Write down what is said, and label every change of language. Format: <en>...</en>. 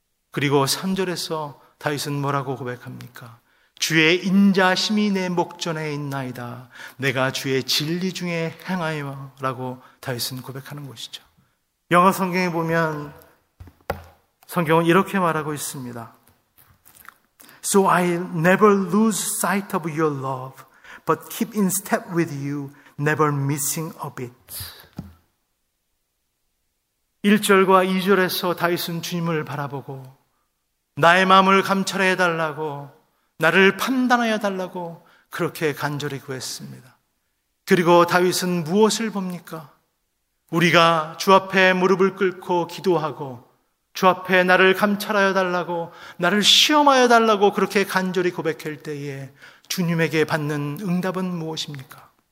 <ko>그리고 3절에서 다윗은 뭐라고 고백합니까? 주의 인자심이 내 목전에 있나이다. 내가 주의 진리 중에 행하여. 라고 다윗은 고백하는 것이죠. 영어 성경에 보면 성경은 이렇게 말하고 있습니다.</ko> <en>So I never lose sight of your love, but keep in step with you, never missing a bit.</en> <ko>1절과 2절에서 다윗은 주님을 바라보고 나의 마음을 감찰해 달라고, 나를 판단하여 달라고 그렇게 간절히 구했습니다. 그리고 다윗은 무엇을 봅니까? 우리가 주 앞에 무릎을 꿇고 기도하고 주 앞에 나를 감찰하여 달라고, 나를 시험하여 달라고 그렇게 간절히 고백할 때에 주님에게 받는 응답은 무엇입니까?</ko>